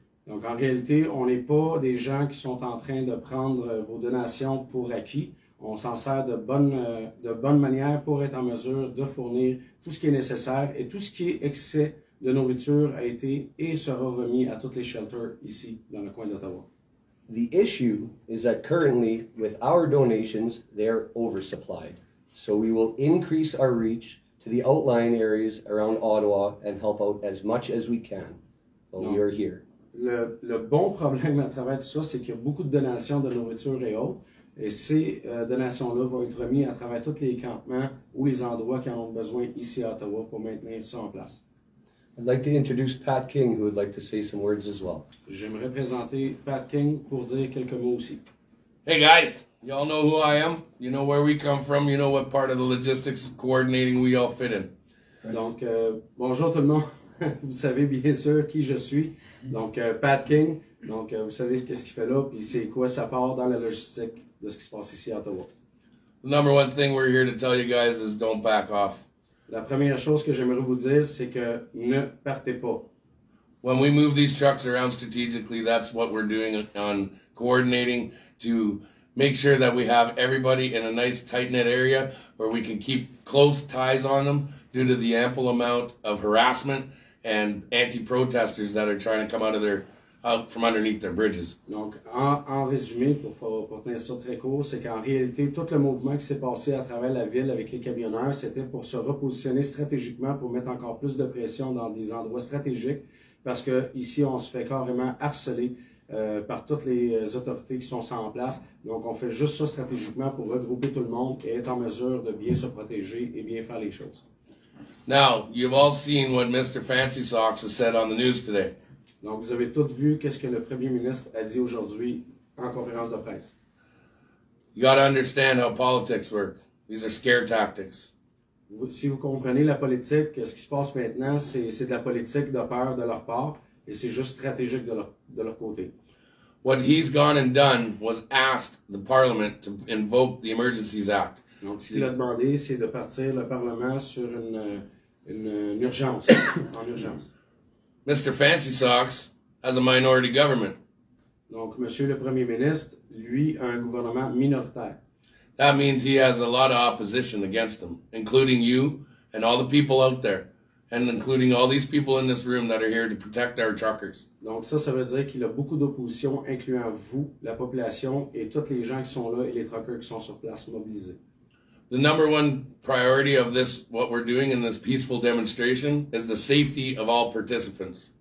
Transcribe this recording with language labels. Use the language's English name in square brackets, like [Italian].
[French] Donc en réalité, on n'est pas des gens qui sont en train de prendre vos donations pour acquis. On s'en sert de bonne manière pour être en mesure de fournir tout ce qui est nécessaire et tout ce qui est excès de nourriture a été et sera remis à toutes les shelters ici dans le coin d'Ottawa. [English] The issue is that currently, with our donations, they're oversupplied. So we will increase our reach to the outlying areas around Ottawa and help out as much as we can while we are here. [French] Le bon problème à travers tout ça, c'est qu'il y a beaucoup de donations de nourriture et autres. Et ces donations-là vont être remises à travers tous les campements ou les endroits qui en ont besoin ici à Ottawa pour maintenir ça en place. [English] I'd like to introduce Pat King, who would like to say some words as well. [French] J'aimerais présenter Pat King pour dire quelques mots aussi. [English] Hey guys! Y'all know who I am, you know where we come from, you know what part of the logistics coordinating we all fit in. [French] Donc, bonjour tout le monde. Vous savez bien sûr qui je suis. Donc, Pat King. Donc, vous savez qu'est-ce qu'il fait là, puis c'est quoi sa part dans la logistique de ce qui se passe ici à Ottawa. [English] The number one thing we're here to tell you guys is don't back off. [French] La première chose que j'aimerais vous dire, c'est que ne partez pas. [English] When we move these trucks around strategically, that's what we're doing on coordinating to make sure that we have everybody in a nice tight-knit area where we can keep close ties on them due to the ample amount of harassment and anti-protesters that are trying to come out of their from underneath their bridges. [French] Donc, en résumé, pour tenir ça très court, c'est qu'en réalité, tout le mouvement qui s'est passé à travers la ville avec les camionneurs, c'était pour se repositionner stratégiquement pour mettre encore plus de pression dans des endroits stratégiques parce que ici, on se fait carrément harceler par toutes les autorités qui sont sans place. Donc, on fait juste ça stratégiquement pour regrouper tout le monde et être en mesure de bien se protéger et bien faire les choses. [English] Now, you've all seen what Mr. Fancy Socks has said on the news today. [French] Donc, vous avez tous vu qu'est-ce que le premier ministre a dit aujourd'hui en conférence de presse. [English] You got to understand how politics work. These are scare tactics. [French] Si vous comprenez la politique, qu'est-ce qui se passe maintenant, c'est de la politique de peur de leur part et c'est juste stratégique de leur côté. [English] What he's gone and done was asked the Parliament to invoke the Emergencies Act. [French] Donc, ce qu'il a demandé, c'est de partir le Parlement sur une urgence, en urgence. [English] Mr. Fancy Socks has a minority government. [French] Donc, Monsieur le Premier ministre, lui, a un gouvernement minoritaire. [English] That means he has a lot of opposition against him, including you and all the people out there, and including all these people in this room that are here to protect our truckers. [French] Donc, ça veut dire qu'il a beaucoup d'opposition, incluant vous, la population, et toutes les gens qui sont là et les truckers qui sont sur place mobilisés. [English] The number one priority of this, what we're doing in this peaceful demonstration, is the safety of all participants.